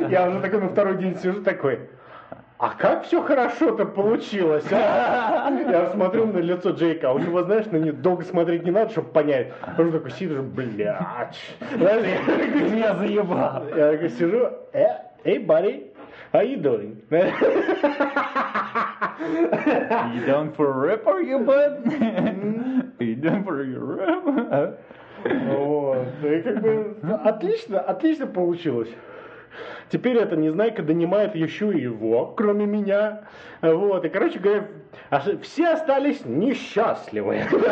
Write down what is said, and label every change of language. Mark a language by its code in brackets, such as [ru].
[ru] Я уже такой на второй день сижу такой. А как все хорошо-то получилось, а? Я смотрю на лицо Джейка, а у него, знаешь, на него долго смотреть не надо, чтобы понять. Он такой сидит, блядь. Знаешь, ты меня заебал. Я такой сижу, эй, [en] buddy, how you doing? You down for a rip, are you, bud? You down for a rip? [ru] Вот, и как бы отлично, отлично получилось. Теперь это Незнайка донимает еще и его, кроме меня. Вот. И, короче говоря, все остались несчастливы.